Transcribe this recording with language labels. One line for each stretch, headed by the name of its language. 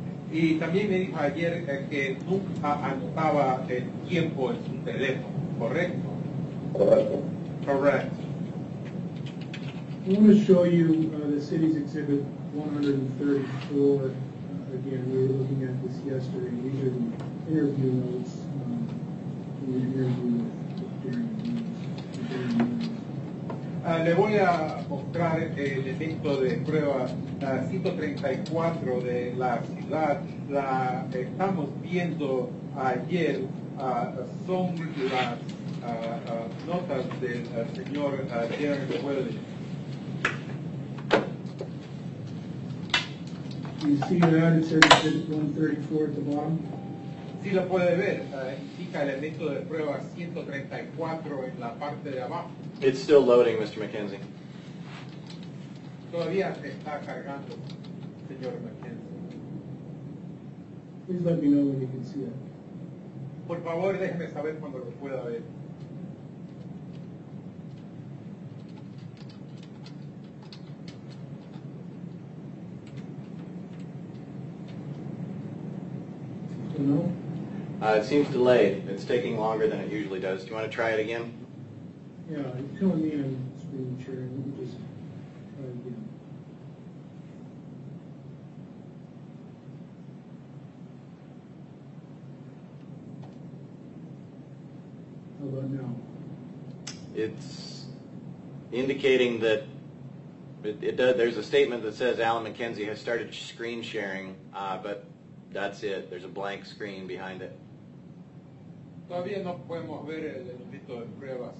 Spanish: Y también me dijo ayer que nunca anotaba el tiempo en su teléfono, ¿correcto?
English: Correct. I want to show you the city's exhibit 134. Again, we were looking at this yesterday. These are the interview notes we interviewed with Darren.
Spanish: Le voy a mostrar el elemento de prueba 134 de la ciudad. La estamos viendo ayer. Son las notas del señor Darren Wellen.
English: You see that? It says it's 134 at the bottom.
Spanish: Sí, lo puede ver. Indica el elemento de prueba 134 en la parte de abajo.
English: It's still loading, Mr. McKenzie.
Spanish: Todavía se está cargando, señor McKenzie.
English: Please let me know when you can see that.
Spanish: Por favor, déjeme saber cuando lo pueda ver.
English: It seems delayed. It's taking longer than it usually does. Do you want to try it again? Yeah, you're telling me I'm screen sharing. Let me just try it again. How about now? It's indicating that it does. There's a statement that says Alan McKenzie has started screen sharing, but that's it. There's a blank screen behind it.
Spanish: Todavía no podemos ver el elemento de prueba.